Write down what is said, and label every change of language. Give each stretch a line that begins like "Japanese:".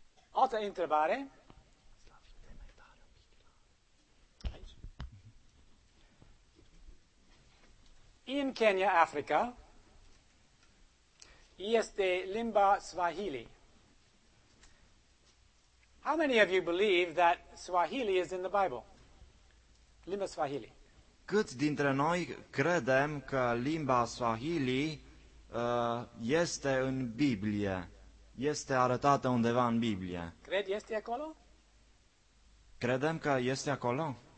Romanian: Altă întrebare. În Kenya, Africa, este limba Swahili.
English: How many of you believe that Swahili is in the Bible?
Romanian: Limba Swahili. Câți dintre noi credem că limba Swahili este în Biblie? Este arătată undeva în Biblie? Cred, este acolo? Credem că este acolo?